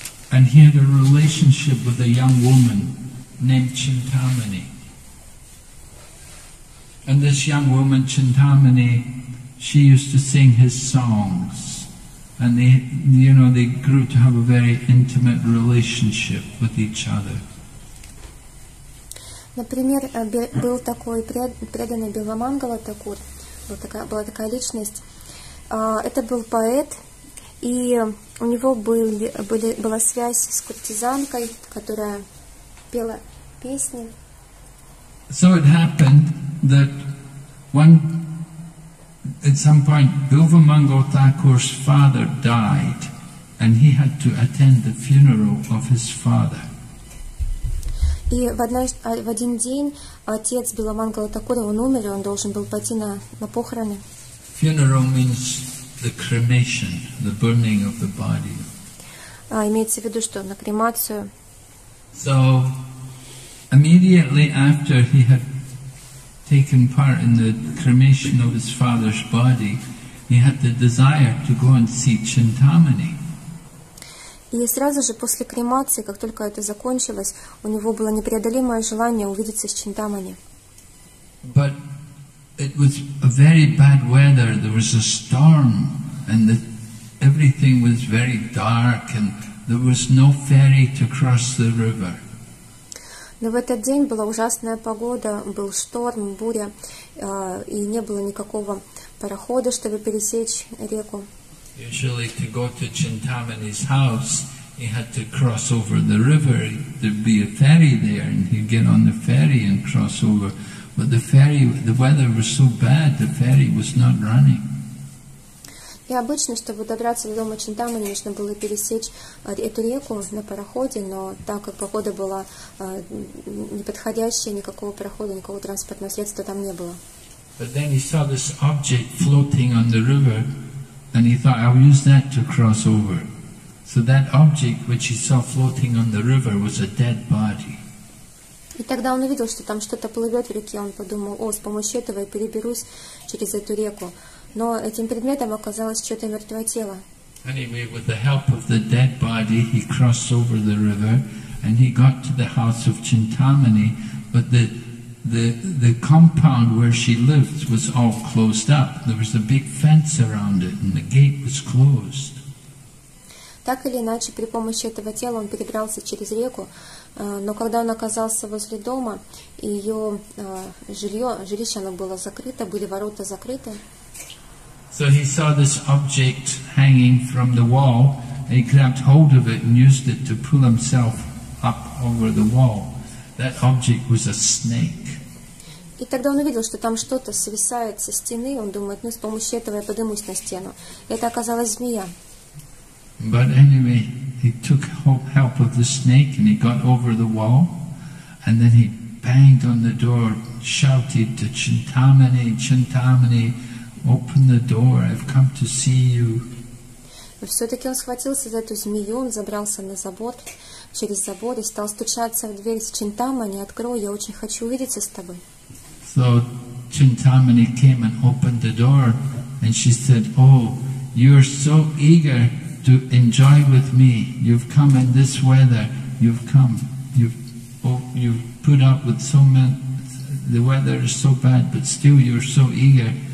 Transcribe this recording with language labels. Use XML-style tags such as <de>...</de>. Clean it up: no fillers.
<en>And he had a relationship with a young woman named Chintamani. And this young woman, Chintamani, she used to sing his songs And they, you know, they grew to have a very intimate relationship with each other.</en> <ru>Например, был такой преданный Биламангала Такур, была такая личность. Это был поэт, и у него была связь с куртизанкой, которая пела песни.</ru> <en>So it happened that one at some point Bilvamangala Thakur's father died, and he had to attend the funeral of his father.</en> <ru>И в один день отец Биламангала Такура, он умер, и он должен был пойти на похороны.</ru> <en>Funeral means the cremation, the burning of the body.</en> <ru>Имеется в виду, что на кремацию.</ru> <en>So immediately after he had taken part in the cremation of his father's body, he had the desire to go and see Chintamani.</en> <ru>И сразу же после кремации, как только это закончилось, у него было непреодолимое желание увидеться с Чинтамани.</ru> <en>But it was a very bad weather. There was a storm, and everything was very dark, and there was no ferry to cross the river.</en> <ru>Но в этот день была ужасная погода, был шторм, буря, и не было никакого парохода, чтобы пересечь реку.</ru> <en>Usually to go to Chintamani's house, he had to cross over the river. There'd be a ferry there, and he'd get on the ferry and cross over. But the ferry, the weather was so bad, the ferry was not running.</en> <ru>И обычно, чтобы добраться до дома Чинтамани, нужно было пересечь эту реку на пароходе, но так как погода была неподходящая, никакого парохода, никакого транспортного средства там не было.</ru> <en>But then he saw this object floating on the river, and he thought, I'll use that to cross over. So that object which he saw floating on the river was a dead body.</en> <ru>И тогда он увидел, что там что-то плывет в реке, он подумал, о, с помощью этого я переберусь через эту реку. Но этим предметом оказалось что-то мертвое тело.</ru> <en>Anyway, with the help of the dead body, he crossed over the river, and he got to the house of Chintamani, but the compound where she lived was all closed up. There was a big fence around it, and the gate was closed.</en> <ru>Так или иначе, при помощи этого тела он перебрался через реку, но когда он оказался возле дома, ее жилище оно было закрыто, были ворота закрыты.</ru> <en>So he saw this object hanging from the wall, and he grabbed hold of it and used it to pull himself up over the wall. That object was a snake.</en> <ru>И тогда он увидел, что там что-то свисает со стены, он думает, ну с помощью этого я поднимусь на стену. Это оказалась змея.</ru> <en>But anyway, he took help of the snake and he got over the wall, and then he banged on the door, shouted to Chintamani, Chintamani, open the door, I've come to see you.</en> <ru>Все-таки он схватился за эту змею, он забрался на забор, через забор, и стал стучаться в дверь с Чинтамани, открой, я очень хочу увидеться с тобой.</ru> <en>So Chintamani came and opened the door, and she said, oh, you're so eager to enjoy with me. You've come in this weather, you've put up with so many, the weather is so bad, but still you're so eager.</en>